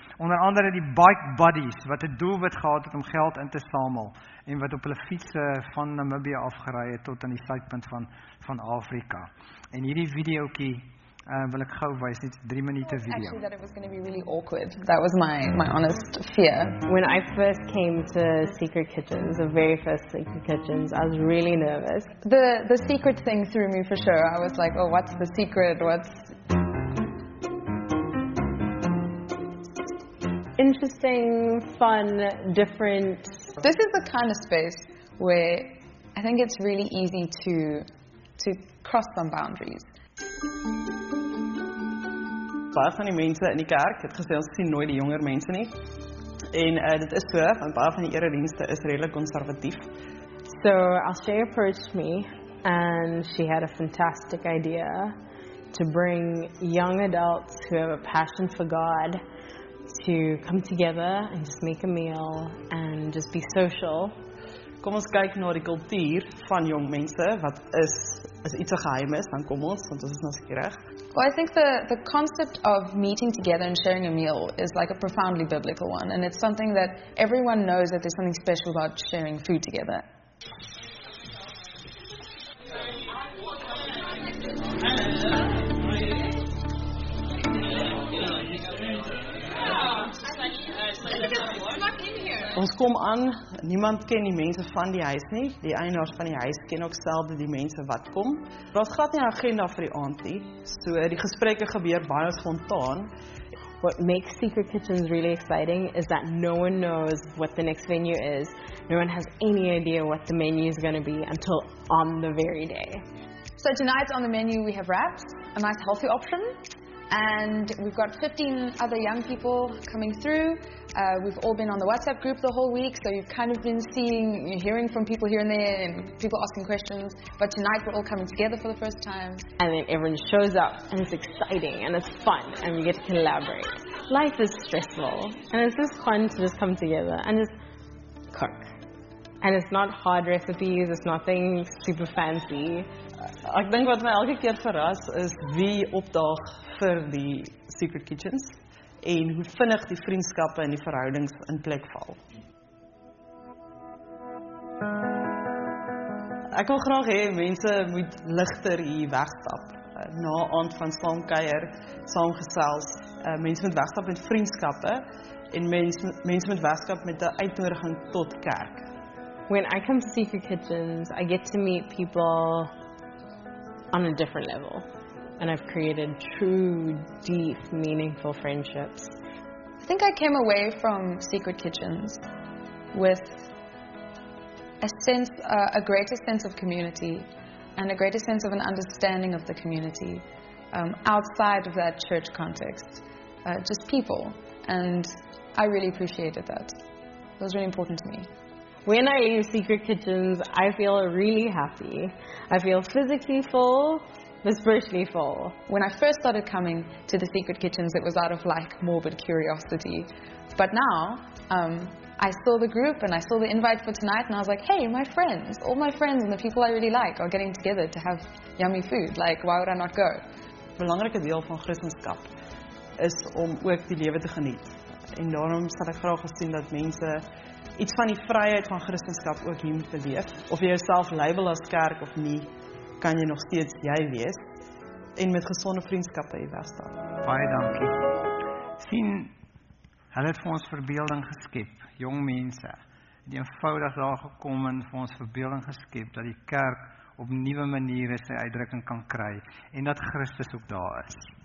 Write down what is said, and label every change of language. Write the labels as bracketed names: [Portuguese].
[Afrikaans] Onder andere die Bike Buddies, wat het doelwit gehad het om geld in te samel, en wat op hulle fietse van Namibia afgeraai het tot aan die suidpunt van Afrika. En hierdie videokie wil ek gou wys, net 3 minute video. [English] Actually, that it was going to be really awkward. That was my honest fear. When I first came to Secret Kitchens, the very first Secret Kitchens, I was really nervous. The secret thing threw me for sure. I was like, oh, what's the secret? What's interesting, fun, different. This is the kind of space where I think it's really easy to cross some boundaries. [Afrikaans] Baie van die mense in die kerk het gesê ons sien nooit die jonger mense nie. En dit is so, want baie van die eredienste is redelik konservatief. [English] So Alshe approached me and she had a fantastic idea to bring young adults who have a passion for God to come together and just make a meal and just be social. [Afrikaans] Kom ons kyk na die kultuur van jong mense, wat is, as iets 'n geheim is, dan kom ons, want ons is nou skierig. [English] Well, I think the concept of meeting together and sharing a meal is like a profoundly biblical one, and it's something that everyone knows that there's something special about sharing food together. [Afrikaans] Ons kom aan, niemand ken die mense van die huis nie, die eienaars van die huis ken ook selde die mense wat kom. Daar was glad nie 'n agenda vir die aand nie, so die gesprekke gebeur baie spontaan. [English] What makes Secret Kitchens really exciting is that no one knows what the next venue is, no one has any idea what the menu is going to be until on the very day. So tonight on the menu we have wraps, a nice healthy option. And we've got 15 other young people coming through. We've all been on the WhatsApp group the whole week, so you've kind of been seeing, you're hearing from people here and there, and people asking questions. But tonight we're all coming together for the first time. And then everyone shows up, and it's exciting, and it's fun, and we get to collaborate. Life is stressful, and it's just fun to just come together and just cook. And it's not hard recipes, it's nothing super fancy. [Afrikaans] Ek dink wat my elke keer verras is wie opdaag vir die Secret Kitchens en hoe vinnig die vriendskappe en die verhoudings in plek val. Ek wil graag hê mense moet ligter hier wegstap. Na aand van saamkuier, saamgesels, mense moet wegstap met vriendskappe en mense moet wegstap met 'n uitnodiging tot kerk. [English] When I come to Secret Kitchens, I get to meet people on a different level, and I've created true, deep, meaningful friendships. I think I came away from Secret Kitchens with a greater sense of community and a greater sense of an understanding of the community outside of that church context, just people. And I really appreciated that. It was really important to me. When I leave Secret Kitchens, I feel really happy. I feel physically full, but spiritually full. When I first started coming to the Secret Kitchens, it was out of like morbid curiosity. But now, I saw the group and I saw the invite for tonight, and I was like, hey, my friends, all my friends and the people I really like are getting together to have yummy food. Like, why would I not go? [Afrikaans] Belangrike deel van Christenskap is om ook die lewe te geniet. En daarom sal ek graag gesien dat mense iets van die vryheid van Christenskap ook hier moet beleef. Of jy jouself label as kerk of nie, kan jy nog steeds jy wees en met gesonde vriendskappe hier wegstaan. Baie dankie. Sien, hulle het vir ons verbeelding geskep, jong mense. Het eenvoudig daar gekom en vir ons verbeelding geskep dat die kerk op nuwe maniere sy uitdrukking kan kry en dat Christus ook daar is.